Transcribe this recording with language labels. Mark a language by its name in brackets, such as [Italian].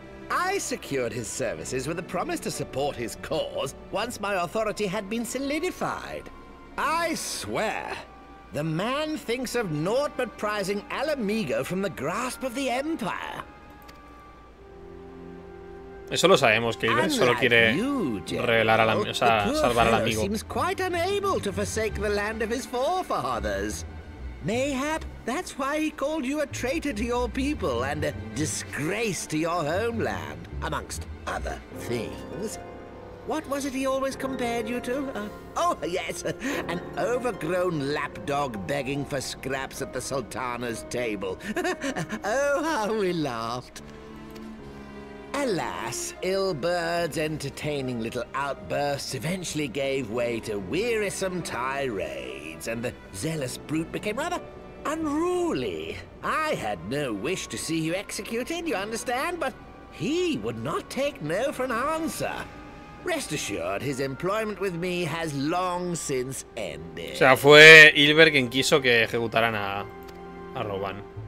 [English] I secured his services with a promise to support his cause once my authority had been solidified. I swear, the man thinks of naught but prizing Alamigo from the grasp of the Empire. [Spanish] Eso lo sabemos, que Ilbert solo quiere revelar a la, o sea, salvar al amigo. [English] Seems quite unable to forsake the land of his forefathers. Mayhap, that's why he called you a traitor to your people and a disgrace to your homeland, amongst other things. What was it he always compared you to? Oh, yes, an overgrown lapdog begging for scraps at the Sultana's table. Oh, how we laughed. Alas, Ilbert's entertaining little outbursts eventually gave way to wearisome tirades. And the zealous brute became rather unruly. I had no wish to see you executed, you understand, but he would not take no for an answer. Rest assured, his employment with me has long since ended. [Spanish] O sea, fue Ilbert quien quiso que ejecutaran a Roban.